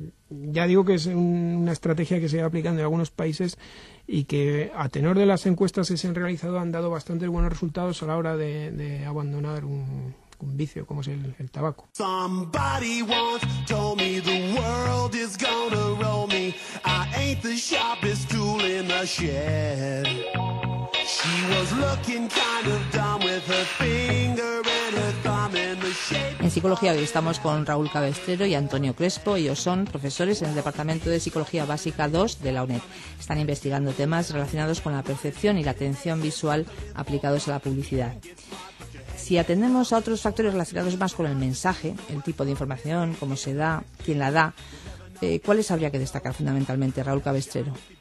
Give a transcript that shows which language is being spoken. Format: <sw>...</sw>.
<es>Ya digo que es una estrategia que se va aplicando en algunos países y que a tenor de las encuestas que se han realizado han dado bastante buenos resultados a la hora de abandonar un vicio como es el tabaco.</es> <en>Somebody once told me the world is gonna roll me. I ain't the sharpest tool in the shed. She was looking kind of dumb with her finger and her thumb in the shape.</en> <es>En psicología hoy estamos con Raúl Cabestrero y Antonio Crespo. Ellos son profesores en el Departamento de Psicología Básica 2 de la UNED. Están investigando temas relacionados con la percepción y la atención visual aplicados a la publicidad. Si atendemos a otros factores relacionados más con el mensaje, el tipo de información, cómo se da, quién la da, ¿cuáles habría que destacar fundamentalmente, Raúl Cabestrero?</es>